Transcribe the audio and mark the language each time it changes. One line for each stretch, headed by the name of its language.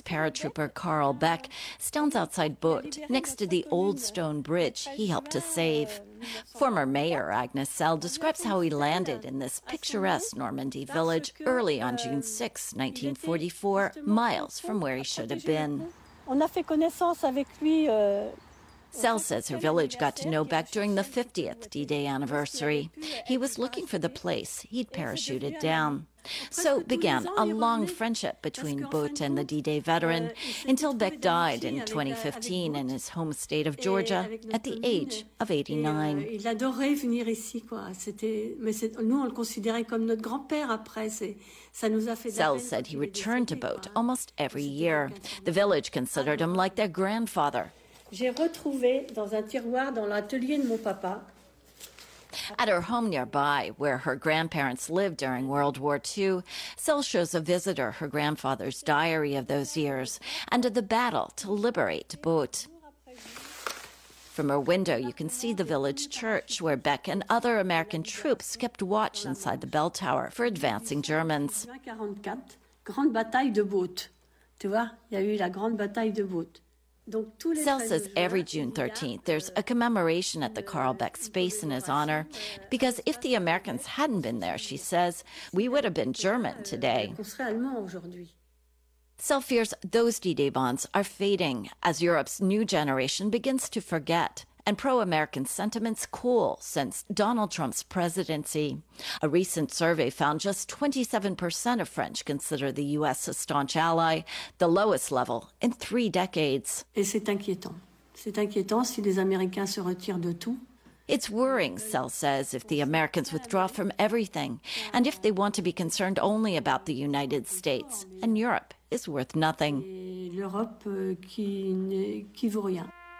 English: paratrooper Carl Beck stands outside Boubt, next to the old stone bridge he helped to save. Former mayor Agnes Sell describes how he landed in this picturesque Normandy village early on June 6, 1944, miles from where he should have been.
French: On a fait connaissance avec lui.
English: Sell says her village got to know Beck during the 50th D-Day anniversary. He was looking for the place he'd parachuted down. So began a long friendship between Boubt and the D-Day veteran until Beck died in 2015 in his home state of Georgia at the age of 89.
French: Il adorait venir ici quoi. C'était mais nous on le considérait comme notre grand-père après.
English: Sell said he returned to Boubt almost every year. The village considered him like their grandfather.
French: J'ai retrouvé dans un tiroir dans l'atelier de mon papa.
English: At her home nearby, where her grandparents lived during World War II, Sell shows a visitor her grandfather's diary of those years and of the battle to liberate Boubt. From her window, you can see the village church where Beck and other American troops kept watch inside the bell tower for advancing Germans.
French: Grande bataille de Boubt. Tu vois, il y a eu la grande bataille de Boubt.
English: Sal says every June 13th, there's a commemoration at the Carl Beck space in his honor, because if the Americans hadn't been there, she says, we would have been German today. Sal fears those D-Day bonds are fading as Europe's new generation begins to forget. And pro-American sentiments cool since Donald Trump's presidency. A recent survey found just 27% of French consider the U.S. a staunch ally, the lowest level in three decades.
French: Et c'est inquiétant. C'est inquiétant si les Américains se retirent de tout.
English: It's worrying, Sal says, if the Americans withdraw from everything and if they want to be concerned only about the United States and Europe is worth nothing.
French: Et l'Europe qui vaut rien.